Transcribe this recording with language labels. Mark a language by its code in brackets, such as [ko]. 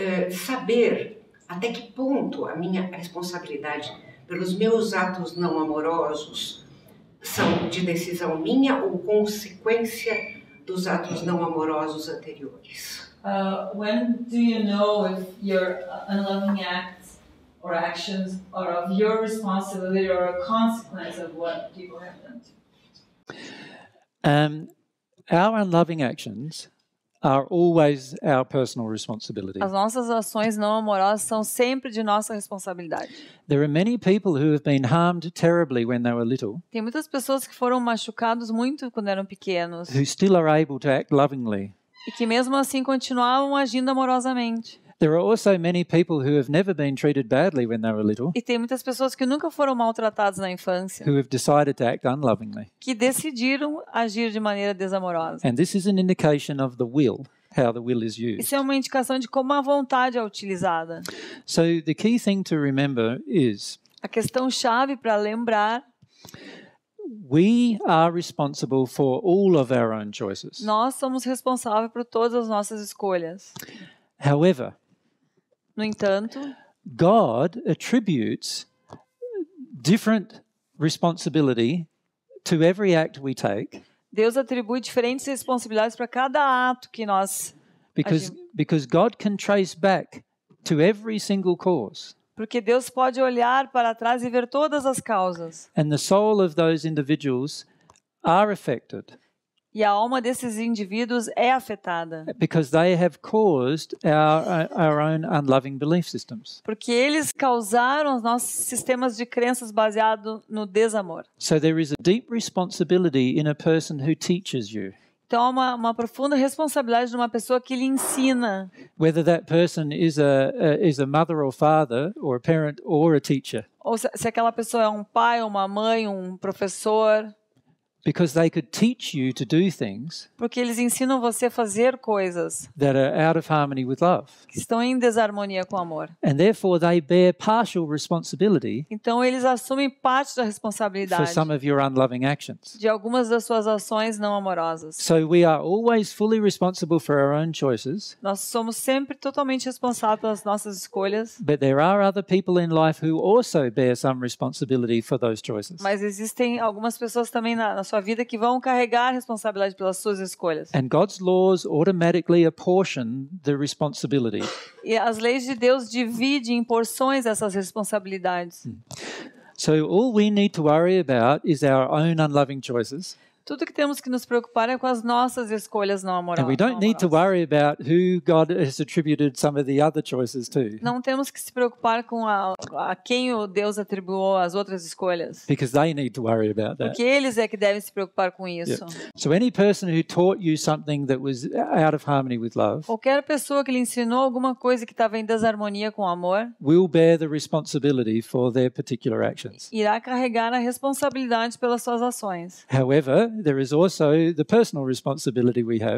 [pt] Saber até que ponto a minha responsabilidade pelos meus atos não amorosos são de decisão minha ou consequência dos atos não amorosos anteriores? [en] When do you know if your unloving acts or actions are of your responsibility or a consequence of what people have done to you? Our unloving actions are always our personal responsibility. [pt] As nossas ações não amorosas são sempre de nossa responsabilidade. [en] There are many people who have been harmed terribly when they were little. [pt] Tem muitas pessoas que foram machucadas muito quando eram pequenos. [en] Who still are able to act lovingly. [pt] E que mesmo assim continuavam agindo amorosamente. [en] There are also many people who have never been treated badly when they were little. [pt] E tem muitas pessoas que nunca foram maltratadas na infância. [en] Who have decided to act unlovingly. [pt] Que decidiram agir de maneira desamorosa. [en] And this is an indication of the will, how the will is used. [pt] Isso é uma indicação de como a vontade é utilizada. [en] So the key thing to remember is. [pt] A questão chave para lembrar. [en] We are responsible for all of our own choices. [pt] Nós somos responsáveis por todas as nossas escolhas. [en] However, [pt] no entanto, [en] God attributes different responsibility to every act we take. [pt] Deus atribui diferentes responsabilidades para cada ato que nós [en] because God can trace back to every single cause. [pt] Porque Deus pode olhar para trás e ver todas as causas. [en] And the soul of those individuals are affected. [pt] E a alma desses indivíduos é afetada. [en] Because they have caused our own unloving belief systems. [pt] Porque eles causaram os nossos sistemas de crenças baseados no desamor. [en] So there is a deep responsibility in a person who teaches you. [pt] Então há uma profunda responsabilidade de uma pessoa que lhe ensina. [en] Whether that person is a mother or father or a parent or a teacher. [pt] Ou se aquela pessoa é um pai, uma mãe, um professor. [en] Because they could teach you to do things. [pt] Porque eles ensinam você a fazer coisas. [en] That are out of harmony with love. [pt] Que estão em desarmonia com o amor. [en] And therefore they bear partial responsibility. [pt] Então eles assumem parte da responsabilidade. [en] For some of your unloving actions. [pt] De algumas das suas ações não amorosas. [en] So we are always fully responsible for our own choices. [pt] Nós somos sempre totalmente responsáveis pelas nossas escolhas. [en] But there are other people in life who also bear some responsibility for those choices. [pt] Mas existem algumas pessoas também na sua vida que vão carregar a responsabilidade pelas suas escolhas. [en] And God's laws automatically apportion the responsibility. [pt] E as leis de Deus dividem em porções essas responsabilidades. [en] So all we need to worry about is our own unloving choices. [pt] Tudo que temos que nos preocupar é com as nossas escolhas não amorosas. [en] And we don't need to worry about who God has attributed some of the other choices to. [pt] Não temos que se preocupar com a quem o Deus atribuiu as outras escolhas. [en] Because they need to worry about that. [pt] Porque eles é que devem se preocupar com isso. [en] Yeah. So any person who taught you something that was out of harmony with love. [pt] Qualquer pessoa que lhe ensinou alguma coisa que estava em desarmonia com o amor. [en] Will bear the responsibility for their particular actions. [pt] Irá carregar a responsabilidade pelas suas ações. [en] However, there is also the personal responsibility we have.